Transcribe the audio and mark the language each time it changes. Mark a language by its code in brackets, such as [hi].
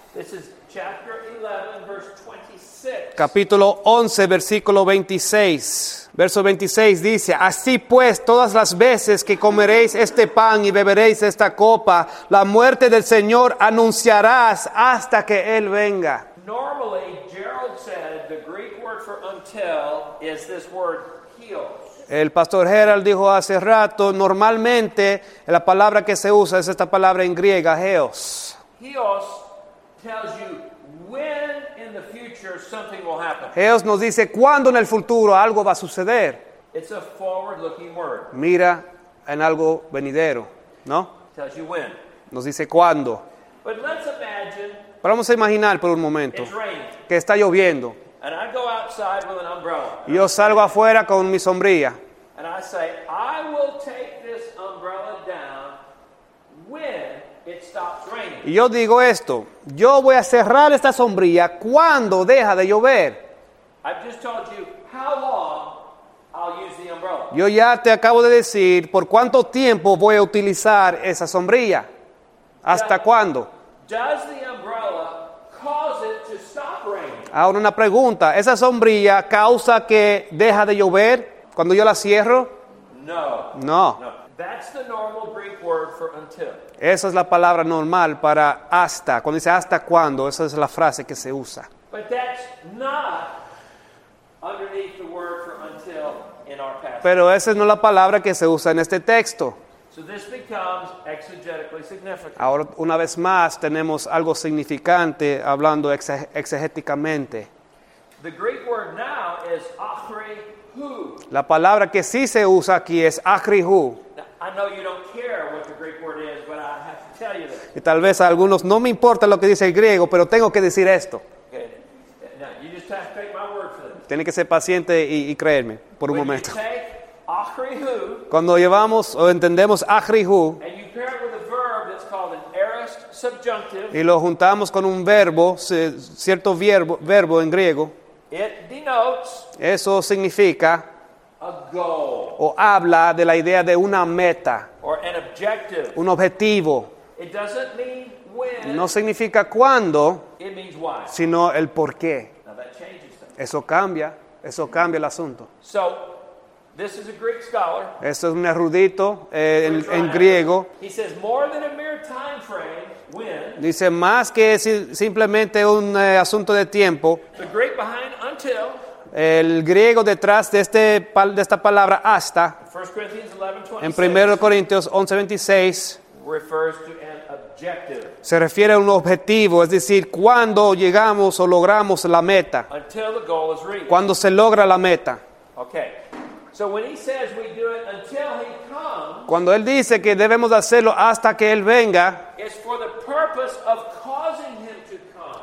[en] This is chapter 11, verse 26. [es] Capítulo 11, versículo 26. Verso 26 dice: así pues, todas las veces que comeréis este pan y beberéis esta copa, la muerte del Señor anunciarás hasta que Él venga. [en] Normally, Gerald said the Greek word for until is this word, heal. [es] El pastor Gerald dijo hace rato, normalmente la palabra que se usa es esta palabra en griega, heos. [en] Heos tells you when in the future something will happen. [es] Heos nos dice cuándo en el futuro algo va a suceder. [en] It's a forward-looking word. [es] Mira en algo venidero, ¿no? [en] Tells you when. [es] Nos dice cuándo. [en] But let's imagine. [es] Pero vamos a imaginar por un momento. [en] It's raining. [es] Que está lloviendo. [en] And I go outside with an umbrella. [es] Yo salgo afuera con mi sombrilla. [en] And I say, I will take this umbrella down when it stops raining. [es] Y yo digo esto, yo voy a cerrar esta sombrilla cuando deja de llover. [en] I've just told you how long I'll use the umbrella. [es] Yo ya te acabo de decir por cuánto tiempo voy a utilizar esa sombrilla. ¿Hasta cuándo? [en] Does the umbrella cause it to stop raining? [es] Ahora una pregunta, ¿esa sombrilla causa que deja de llover cuando yo la cierro? [en] No. [es] No. [en] That's the normal Greek word for until. [es] Esa es la palabra normal para hasta. Cuando dice hasta cuándo, esa es la frase que se usa. [en] But that's not underneath the word for until in our passage. [es] Pero esa no es la palabra que se usa en este texto. [en] So this becomes exegetically significant. [es] Ahora, una vez más, tenemos algo significante hablando exegéticamente. [en] The Greek word now is akrihu. [es] La palabra que sí se usa aquí es akrihu. [en] I know you don't care what the Greek word is, but I have to tell you this. [es] Y tal vez a algunos no me importa lo que dice el griego, pero tengo que decir esto. [en] Okay. Now, you just have to take my word for this. [es] Tiene que ser paciente y creerme por un [en] when [es] momento. [en] Akrihu, [es] cuando llevamos o entendemos akrihu, [en] and you pair it with a verb that's called an aorist subjunctive, [es] y lo juntamos con un verbo, cierto verbo en griego, [en] it denotes, [es] eso significa, [en] a goal, [es] o habla de la idea de una meta, [en] or an objective, [es] un objetivo. [en] It doesn't mean when, [es] no significa cuándo, [en] it means why, [es] sino el por qué. [en] Now that changes things. [es] Eso cambia el asunto. [en] So, this is a Greek scholar. [es] Esto es un erudito en griego. [en] He says more than a mere time frame, when. [es] Dice más que simplemente un asunto de tiempo. [en] The Greek behind until. [es] El griego detrás de este de esta palabra hasta. [en] 1 Corinthians 11, 26. [es] En 1 Corintios 11, 26. [en] Refers to an objective. [es] Se refiere a un objetivo, es decir, cuando llegamos o logramos la meta. [en] Until the goal is reached. [es] Cuando se logra la meta. [en] Okay. So when he says we do it until he comes, [es] cuando él dice que debemos hacerlo hasta que él venga, [en] it's for the purpose of causing him to come.